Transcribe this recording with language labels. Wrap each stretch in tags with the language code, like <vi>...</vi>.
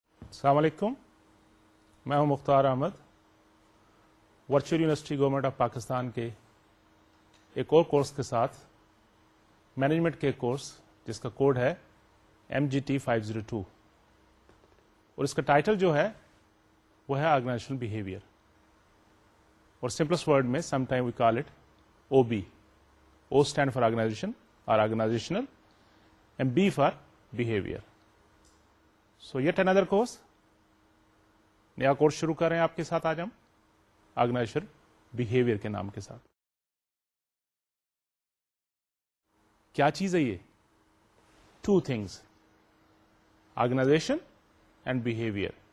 <ur>السلام علیکم، میں ہوں مختار Ahmad, virtual university government of Pakistan کے ایک اور کورس کے ساتھ، مینجمنٹ کے کورس جس کا کوڈ ہے MGT502، اور اس کا ٹائٹل جو ہے وہ ہے آرگنائزیشنل بیہیویئر، اور سمپلسٹ ورڈ میں</ur> <en>Some time we call it OB. O stand for organization or organizational and B for behavior. So yet another course.</en> <ur>نیا کورس شروع کر رہے ہیں آپ کے ساتھ آج ہم، آرگنائزر بیہیویئر کے نام کے ساتھ. کیا چیز ہے یہ؟</ur> <en>Two things, organisation and behaviour.</en>